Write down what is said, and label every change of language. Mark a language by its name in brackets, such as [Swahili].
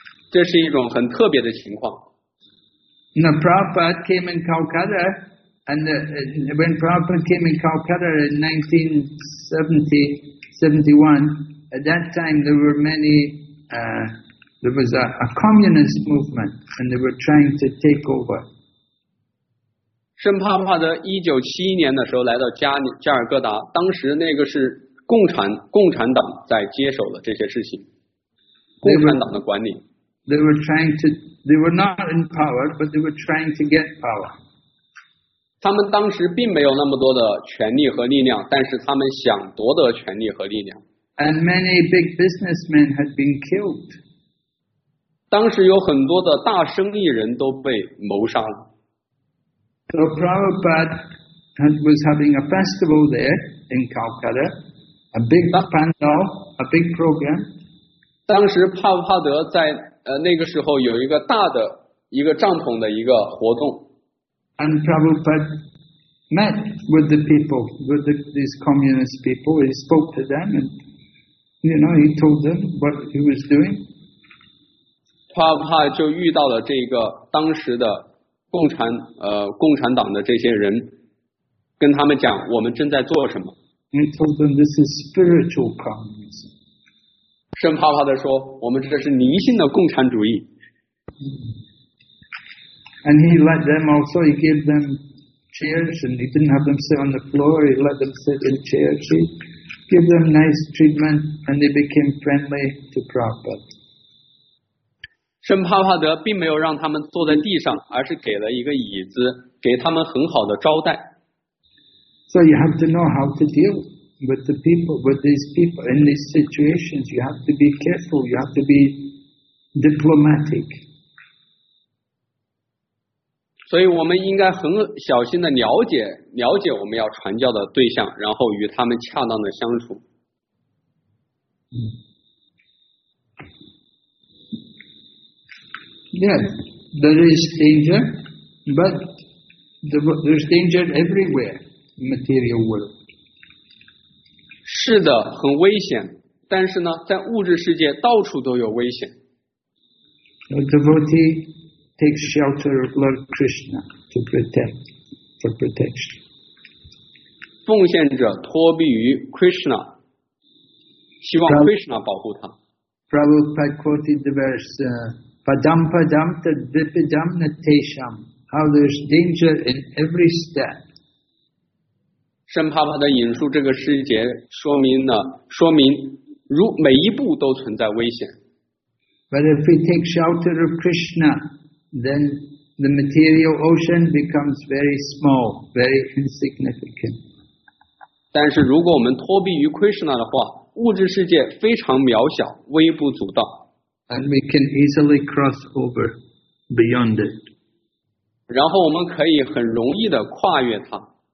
[Chinese] 这是一种很特别的情况。 [English] The Prabhupada came in Calcutta. And when Prabhupada came in Calcutta in 1970-71, at that time there were many, there was a communist movement, and they were trying to take over. [Chinese] 圣帕帕德1971年的时候来到加尔各答，当时那个是共产党在接手了这些事情，共产党的管理。 [English] They were not in power, but they were trying to get power. [Chinese] 他们当时并没有那么多的权力和力量，但是他们想夺得权力和力量。 [English] And many big businessmen had been killed. [Chinese] 当时有很多的大生意人都被谋杀了。 [English] So Prabhupada was having a festival there in Calcutta, a big pandal, a big program. [Chinese] 当时帕布帕德在那个时候有一个大的一个帐篷的一个活动。 [English] And Prabhupada met with the people, with the, these communist people. He spoke to them and, you know, he told them what he was doing. [Chinese] 帕布帕就遇到了这个当时的共产党的这些人，跟他们讲我们正在做什么。 [English] And told them this is spiritual communism. [Chinese] 圣帕帕的说，我们这是迷信的共产主义。 [English] And he let them also. He gave them chairs, and he didn't have them sit on the floor. He let them sit in chairs. He gave them nice treatment, and they became friendly to Prabhupada. [Chinese] 圣帕帕德并没有让他们坐在地上，而是给了一个椅子，给他们很好的招待。 [English] So you have to know how to deal with the people, with these people in these situations. You have to be careful. You have to be diplomatic. [Chinese] 所以我们应该很小心的了解我们要传教的对象，然后与他们恰当的相处。 [English] Yes, there is danger, but there's danger everywhere in material world. [Chinese] 是的，很危险，但是呢，在物质世界到处都有危险。 [English] A devotee takes shelter of Lord Krishna to protect, for protection. [Chinese] 奉献者托庇于 Krishna, 希望 Krishna 保护他。 [English] Prabhupada quoted the verse, [Sanskrit] Padam padam tad vipadam natesham. [English] How there's danger in every step. [Chinese] 圣帕帕的引述这个诗节说明如每一步都存在危险。 [English] But if we take shelter of Krishna, then the material ocean becomes very small, very insignificant. [Chinese] 但是如果我们脱避于 Krishna 的话，物质世界非常渺小，微不足道。 [English] And we can easily cross over beyond it. [Chinese] 然后我们可以很容易的跨越它。